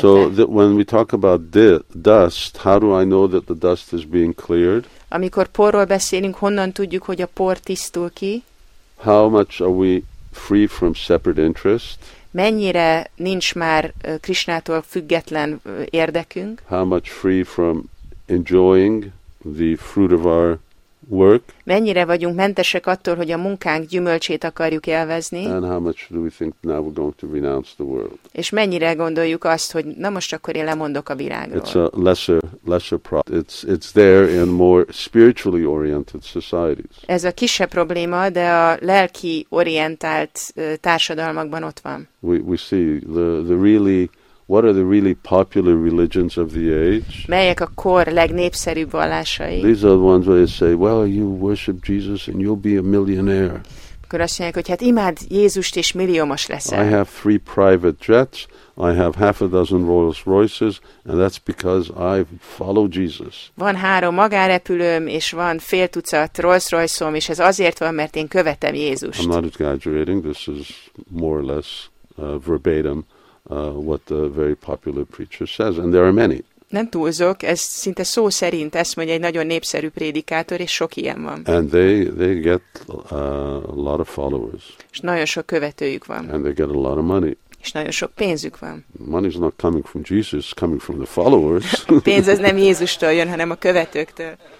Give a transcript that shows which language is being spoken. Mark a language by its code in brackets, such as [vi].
[en] So when we talk about dust, how do I know that the dust is being cleared? [hu] Amikor porról beszélünk, honnan tudjuk, hogy a por tisztul ki? [en] How much are we free from separate interest? [hu] Mennyire nincs már Krishnától független érdekünk? [en] How much free from enjoying the fruit of our work? [hu] Mennyire vagyunk mentesek attól, hogy a munkánk gyümölcsét akarjuk élvezni? [en] And how much do we think now we're going to renounce the world? [hu] És mennyire gondoljuk azt, hogy na most akkor én lemondok a virágról? [en] It's a lesser problem. It's there in more spiritually oriented societies. [hu] Ez a kisebb probléma, de a lelki orientált társadalmakban ott van. [en] We see the really what are the really popular religions of the age? [hu] Melyek a kor legnépszerűbb vallásai? [en] These are the ones where they say, well, you worship Jesus and you'll be a millionaire. [hu] Akkor azt mondják, hogy hát imád Jézust és milliómos leszel. [en] I have 3 private jets, I have 6 Rolls Royces, and that's because I follow Jesus. [hu] Van 3 magárepülőm, és van 50 Rolls Royce-om, és ez azért van, mert én követem Jézust. [en] I'm not exaggerating, this is more or less verbatim. What the very popular preacher says, and there are many. [hu] Nem túlzok, ez szinte szó szerint ezt mondja egy nagyon népszerű prédikátor, és sok ilyen van. [en] And they get a lot of followers. [hu] És nagyon sok követőjük van. [en] And they get a lot of money. [hu] És nagyon sok pénzük van. [en] Money is not coming from Jesus, it's coming from the followers. [hu] A pénz az nem Jézustól jön, hanem a követőktől.